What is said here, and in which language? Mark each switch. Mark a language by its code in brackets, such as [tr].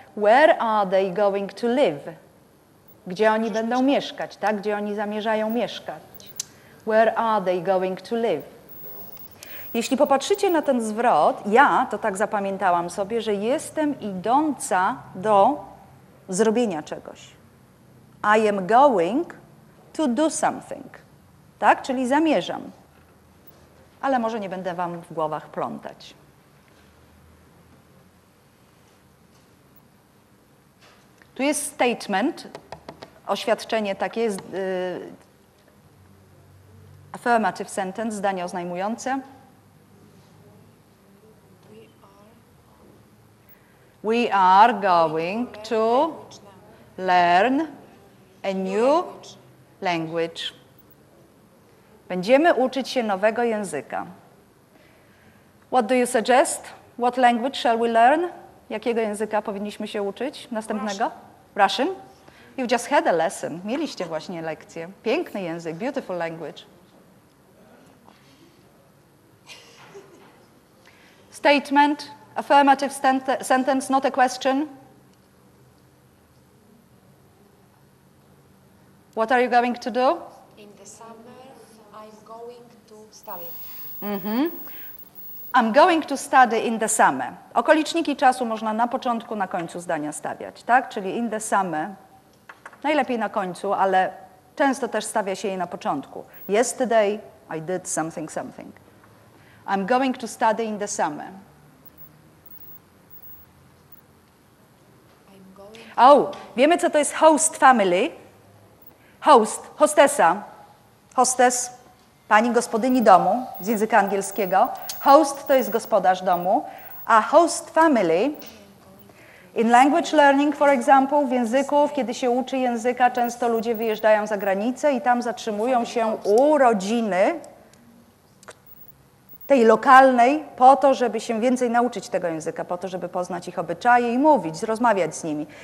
[en] Where are they going to live? [pl] Gdzie oni będą mieszkać, tak? Gdzie oni zamierzają mieszkać? [en] Where are they going to live? [pl] Jeśli popatrzycie na ten zwrot, ja to tak zapamiętałam sobie, że jestem idąca do zrobienia czegoś. [en] I am going to do something. [pl] Tak? Czyli zamierzam. Ale może nie będę wam w głowach plątać. Tu jest statement, oświadczenie takie, jest [en] affirmative sentence, [pl] zdanie oznajmujące. [en] We are going to learn a new language. [pl] Będziemy uczyć się nowego języka. [en] What do you suggest? What language shall we learn? [pl] Jakiego języka powinniśmy się uczyć następnego? [en] Russian. Russian? You just had a lesson. [pl] Mieliście właśnie lekcję. Piękny język, [en] beautiful language. Statement, affirmative sentence, not a question. What are you going to do? Mm-hmm. I'm going to study in the summer. [pl] Okoliczniki czasu można na początku, na końcu zdania stawiać, tak? Czyli [en] in the summer, [pl] najlepiej na końcu, ale często też stawia się je na początku. [en] Yesterday I did something, something. I'm going to study in the summer. [pl] Wiemy, co to jest host family. Host, hostessa, hostess. Pani gospodyni domu, z języka angielskiego. Host to jest gospodarz domu, a host family, [en] in language learning for example, [pl] w języku, kiedy się uczy języka, często ludzie wyjeżdżają za granicę i tam zatrzymują się u rodziny tej lokalnej po to, żeby się więcej nauczyć tego języka, po to, żeby poznać ich obyczaje i mówić, rozmawiać z nimi.